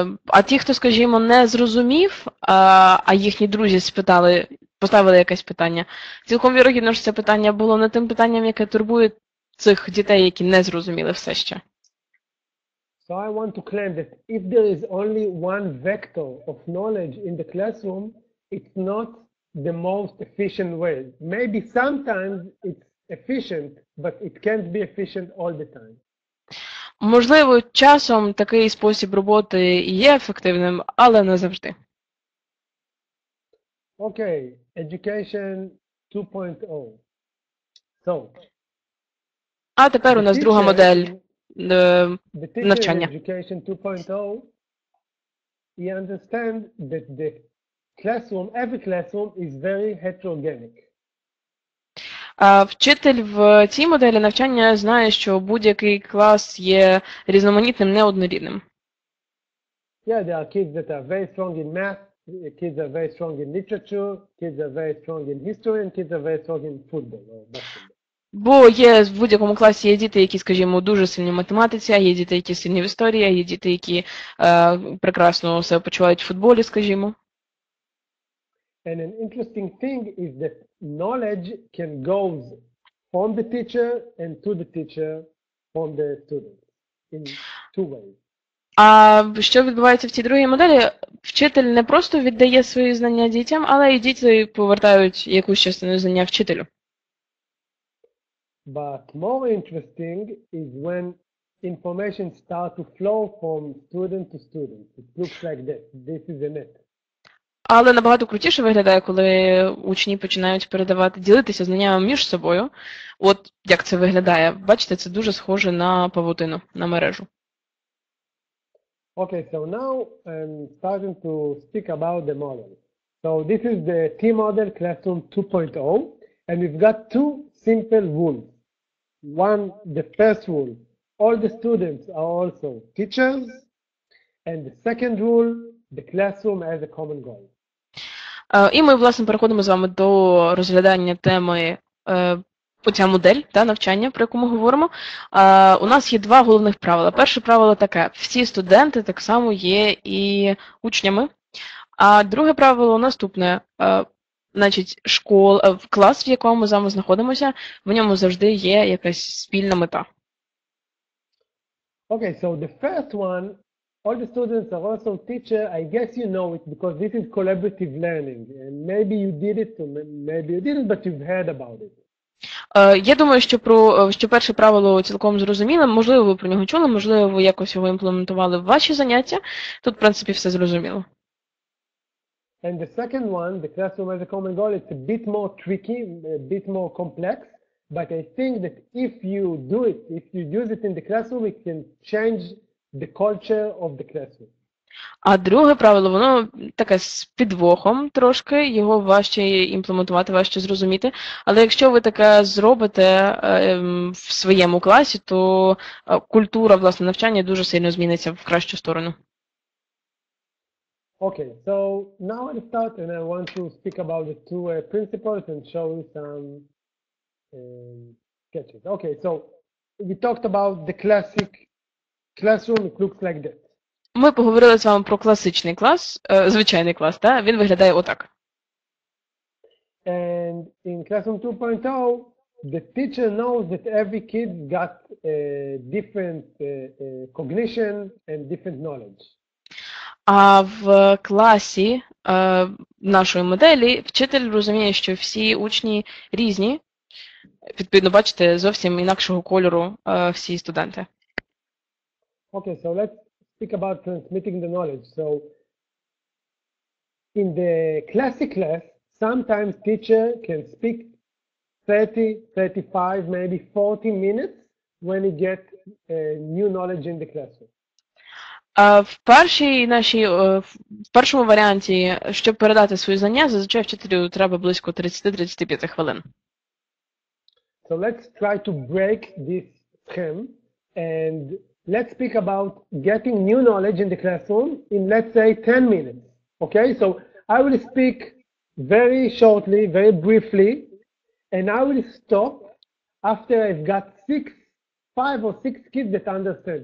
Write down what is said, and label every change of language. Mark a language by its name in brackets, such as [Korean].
[Ukrainian] А ті, хто, скажімо, не зрозумів, а їхні друзі спитали, поставили якесь питання, цілком вірогідно, що це питання було не тим питанням, яке турбує цих дітей, які не зрозуміли все ще. [English] So I want to claim that if there is only one vector of knowledge in the classroom, it's not the most efficient way. Maybe sometimes it's efficient, but it can't be efficient all the time. [Ukrainian] Можливо, часом такий спосіб роботи є ефективним, але не завжди. [English] Okay, education 2.0. So. [Ukrainian] А тепер у нас друга модель навчання. [English] Education 2.0. He understand that the classroom, every classroom is very heterogenic. [Ukrainian] Вчитель в цій моделі навчання знає, що будь-який клас є різноманітним, неоднорідним. [English] Yeah, there are kids that are very strong in math, kids are very strong in literature, kids are very strong in history, and kids are very strong in football. [Ukrainian] Бо є в будь-якому класі є діти, які, скажімо, дуже сильні в математиці, є діти, які сильні в історії, є діти, які прекрасно себе почувають в футболі, скажімо. [English] And an interesting thing is that knowledge can go from the teacher and to the teacher from the student in two ways. [Ukrainian] А що відбувається в цій другій моделі? Вчитель не просто віддає свої знання дітям, але і діти повертають якусь частину знання вчителю. [English] But more interesting is when information starts to flow from student to student. It looks like this. This is a net. [Ukrainian] Але набагато крутіше виглядає, коли учні починають передавати, ділитися знаннями між собою. От як це виглядає. Бачите, це дуже схоже на павутину, на мережу. [English] Okay, so now I'm starting to speak about the model. So this is the team model classroom 2.0, and we've got two simple rules. One, the first rule, all the students are also teachers, and the second rule, the classroom has a common goal. [Ukrainian] І ми, власне, переходимо з вами до розглядання теми оця модель та навчання, про яку ми говоримо. У нас є два головних правила. Перше правило таке: всі студенти так само є і учнями. А друге правило наступне: значить, клас, в якому ми з вами знаходимося, в ньому завжди є якась спільна мета. Okay, so the first one. All the students are also teacher. I guess you know it because this is collaborative learning. And maybe you did it, maybe you didn't, but you've heard about it. Я думаю, що що перше правило цілком зрозуміло. Можливо, ви про нього чули, можливо, ви якось його імплементували в ваші заняття. Тут, в принципі, все зрозуміло. [English] And the second one, the classroom has a common goal, it's a bit more tricky, a bit more complex. But I think that if you do it, if you use it in the classroom, it can change the culture of the classroom. [Ukrainian] А друге правило, воно таке з підвохом трошки, його важче імплементувати, важче зрозуміти. Але якщо ви таке зробите в своєму класі, то культура, власне, навчання дуже сильно зміниться в кращу сторону. [English] Okay, so now I'll start and I want to speak about the two principles and show you some sketches. Okay, so we talked about the classic classroom, it looks like that. [Ukrainian] Ми поговорили з вами про класичний клас, звичайний клас, так? Він виглядає отак. [English] And in classroom 2.0, the teacher knows that every kid got different cognition and different knowledge. [Ukrainian] А в класі нашої моделі вчитель розуміє, що всі учні різні. Відповідно, бачите, зовсім інакшого кольору всі студенти. [English] Okay, so let's speak about transmitting the knowledge. So in the classic class, sometimes teacher can speak 30, 35, maybe 40 minutes when he get new knowledge in the classroom. [Ukrainian] В першому варіанті, щоб передати своє знання, зазвичай вчителю треба близько 30-35 хвилин. [English] So let's try to break this scheme and let's speak about getting new knowledge in the classroom in, let's say, 10 minutes. Okay, so I will speak very shortly, very briefly, and I will stop after I've got five or six kids that understand.